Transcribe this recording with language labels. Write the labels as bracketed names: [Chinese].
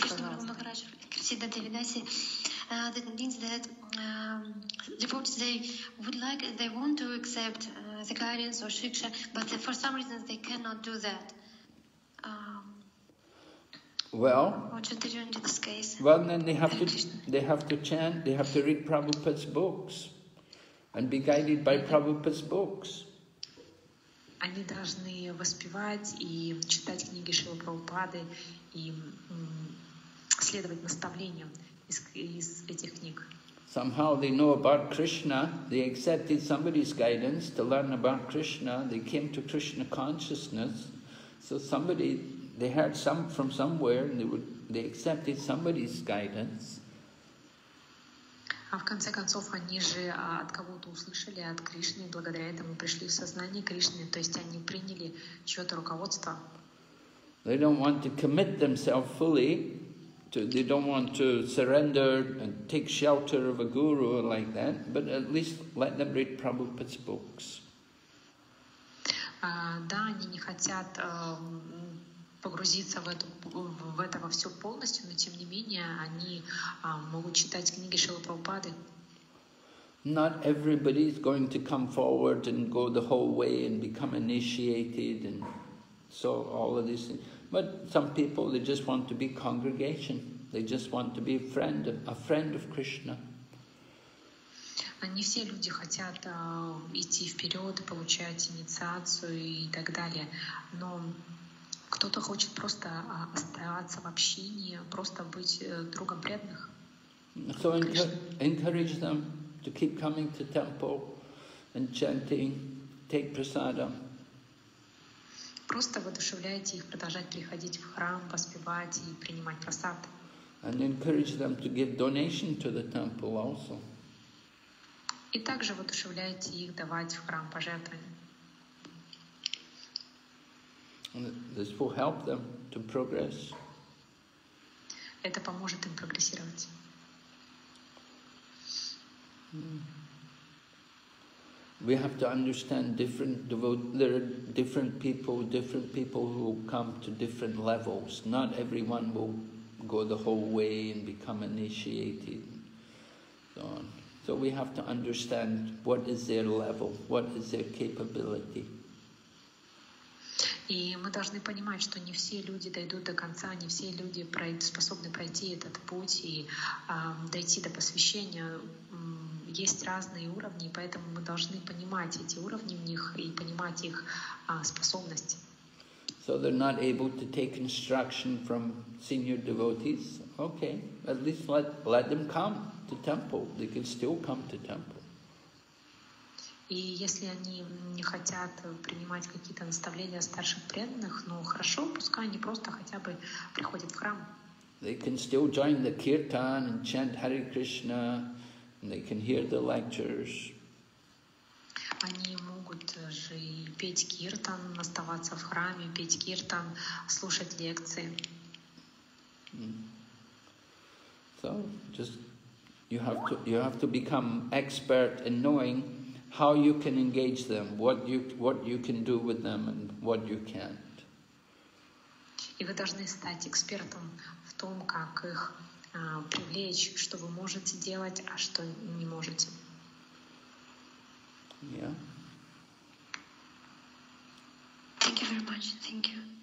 [Russian] пожалуйста. [English] Well, what should they do in this case? Well, then they have to chant, they have to read Prabhupada's books and be guided by Prabhupada's books. [Russian] Они должны воспевать и читать книги Шрилы Прабхупады и следовать наставлениям из этих книг. [English] Somehow they know about Krishna, they accepted somebody's guidance to learn about Krishna, they came to Krishna consciousness, so somebody, they heard some from somewhere, and they accepted somebody's guidance. [Russian] А в конце концов они же от кого-то услышали от Кришны, благодаря этому пришли в сознание Кришны, то есть они приняли чьё-то руководство. [English] They don't want to commit themselves fully. They don't want to surrender and take shelter of a guru like that, but at least let them read Prabhupada's books. [Russian] Да, они не хотят погрузиться в это во все полностью, но тем не менее они могут читать книги Шрилы Прабхупады. [English] Not everybody is going to come forward and go the whole way and become initiated and so all of these things. But some people, they just want to be congregation. They just want to be a friend of Krishna. [Russian] Не все люди хотят идти вперед, получать инициацию и так далее. Но кто-то хочет просто оставаться в общении, просто быть другом преданных. [English] So encourage them to keep coming to temple and chanting, take prasadam. [Russian] Просто воодушевляйте их продолжать приходить в храм, воспевать и принимать просад. [English] And encourage them to give donation to the temple also. [Russian] И также воодушевляйте их давать в храм пожертвования. [English] And this will help them to progress. [Russian] Это поможет им прогрессировать. [English] We have to understand different devotees. There are different people who come to different levels. Not everyone will go the whole way and become initiated. So on. So we have to understand what is their level, what is their capability. [Russian] И мы должны понимать, что не все люди дойдут до конца, не все люди способны пройти этот путь и дойти до посвящения. Есть разные уровни, поэтому мы должны понимать эти уровни в них и понимать их способности. [English] So they're not able to take instruction from senior devotees. Okay, at least let them come to temple. They can still come to temple. [Russian] И если они не хотят принимать какие-то наставления старших преданных, ну хорошо, пускай они просто хотя бы приходят в храм. [English] They can still join the kirtan and chant Hare Krishna, and they can hear the lectures. [Russian] Они могут же петь киртан, оставаться в храме, петь киртан, слушать лекции. [English] So just you have to become expert in knowing how you can engage them, what you can do with them, and what you can't. [Russian] И вы должны стать экспертом в том, как их привлечь, что вы можете делать, а что не можете. [English] Yeah. Thank you very much. Thank you.